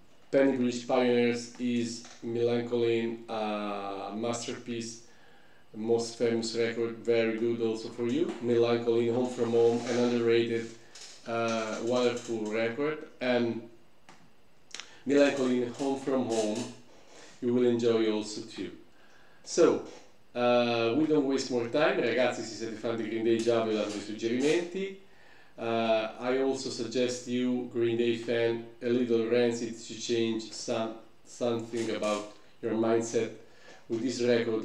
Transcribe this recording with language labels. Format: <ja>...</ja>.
<en>Penny British Pioneers is Melancholy, a masterpiece, most famous record, very good also for you. Melancholy, Home From Home, an underrated, wonderful record. And Melancholy, Home From Home, you will enjoy also too. So, we don't waste more time.</en> <it>Ragazzi, se siete fan di Green Day, già vi ho dato I suggerimenti.</it> <en>I also suggest you, Green Day fan, a little Rancid to change something about your mindset with this record.</en>